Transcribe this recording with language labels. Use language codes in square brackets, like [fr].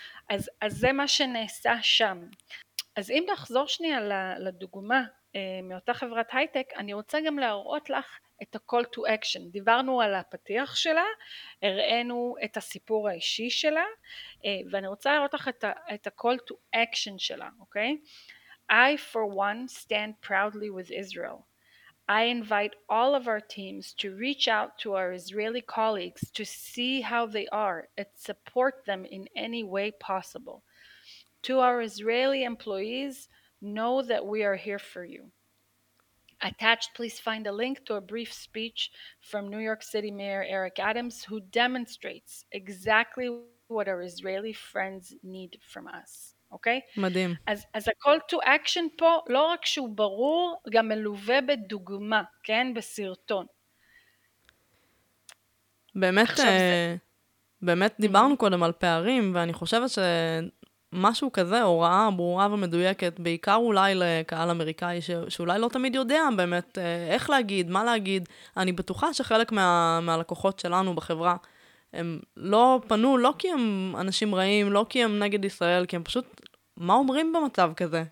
[he] אז זה מה שנעשה שם. אז אם נחזור שנייה לדוגמה מאותה חברת הייטק, אני רוצה גם להראות לך את ה-call to action. דיברנו על הפתיח שלה, הראינו את הסיפור האישי שלה, ואני רוצה להראות לך את ה-call to action שלה, אוקיי? [en] I for one stand proudly with Israel. I invite all of our teams to reach out to our Israeli colleagues to see how they are and support them in any way possible. To our Israeli employees, know that we are here for you. Attached, please find a link to a brief speech from New York City Mayor Eric Adams, who demonstrates exactly what our Israeli friends need from us. [he] אוקיי? Okay? מדהים. אז ה-call to action פה, לא רק שהוא ברור, גם מלווה בדוגמה, כן? בסרטון. באמת, באמת דיברנו קודם על פערים, ואני חושבת שמשהו כזה, הוראה ברורה ומדויקת, בעיקר אולי לקהל אמריקאי, שאולי לא תמיד יודע באמת איך להגיד, מה להגיד, אני בטוחה שחלק מהלקוחות שלנו בחברה, הם לא פנו, לא כי הם אנשים רעים, לא כי הם נגד ישראל, כי הם פשוט, מה אומרים במצב כזה?